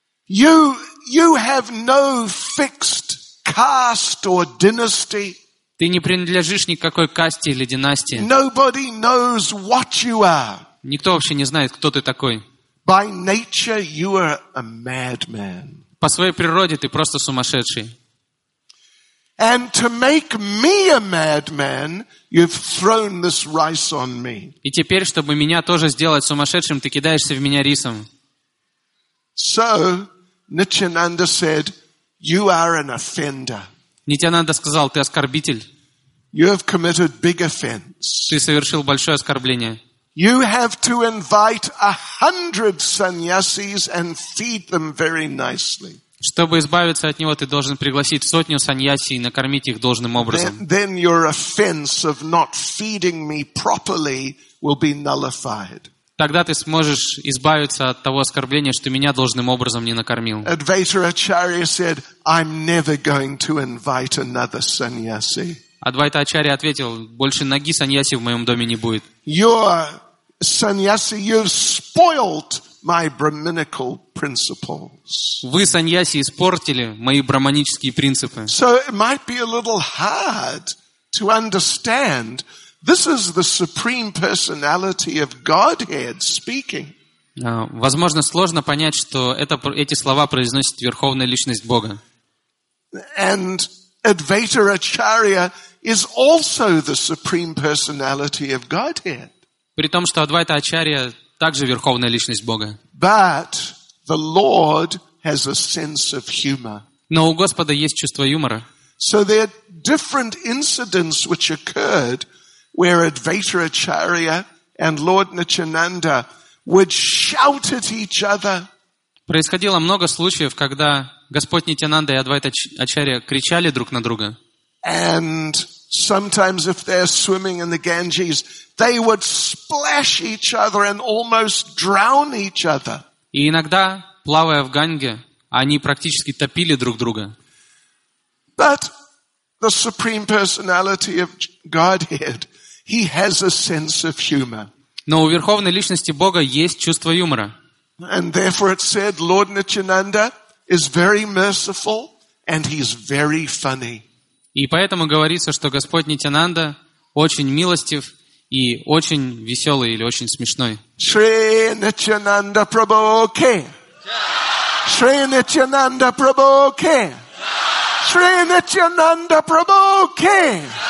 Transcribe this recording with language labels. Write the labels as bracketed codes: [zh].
[en] You have no fixed caste or dynasty. [ru] Ты не принадлежишь никакой касте или династии. [en] Nobody knows what you are. [ru] Никто вообще не знает, кто ты такой. [en] By nature you are a madman. [ru] По своей природе ты просто сумасшедший. [en] And to make me a madman, you've thrown this rice on me. [ru] И теперь, чтобы меня тоже сделать сумасшедшим, ты кидаешься в меня рисом. [en] So Nityananda said, "You are an offender." [ru] Нитянанда сказал, ты оскорбитель. [en] You have committed big offense. [ru] Ты совершил большое оскорбление. [en] You have to invite 100 sannyasis and feed them very nicely. [ru] Чтобы избавиться от него, ты должен пригласить 100 саньяси и накормить их должным образом. [en] Then your offense of not feeding me properly will be nullified. [ru] Тогда ты сможешь избавиться от того оскорбления, что меня должным образом не накормил. [en] Advaita Acharya said, I'm never going to invite another sannyasi. [ru] Адвайта Ачарья ответил, больше ноги саньяси в моем доме не будет. [en] Your sannyasi, you've spoiled my brahminical principles. [ru] Вы, саньяси, испортили мои брахманические принципы. [en] So it might be a little hard to understand. This is the supreme personality of Godhead speaking. [ru] Возможно, сложно понять, что эти слова произносит верховная личность Бога. [en] And Advaita Acharya is also the supreme personality of Godhead. [ru] При том, что Адвайта Ачарья также верховная личность Бога. [en] But the Lord has a sense of humor. [ru] Но у Господа есть чувство юмора. [en] So there are different incidents which occurred where Advaita Acharya and Lord Nityananda would shout at each other. [ru] Происходило много случаев, когда Господь Нитянанда и Адвайта Ачарья кричали друг на друга. [en] And sometimes if they're swimming in the Ganges, they would splash each other and almost drown each other. [ru] И иногда, плавая в Ганге, они практически топили друг друга. [en] But the supreme personality of Godhead, he has a sense of humor. [ru] Но у верховной личности Бога есть чувство юмора. [en] And therefore it said Lord Nityananda is very merciful and he's very funny. [ru] И поэтому говорится, что Господь Нитянанда очень милостив и очень веселый или очень смешной. Шри Нитянанда Прабху ки. Шри Нитянанда Прабху ки. Шри Нитянанда Прабху ки.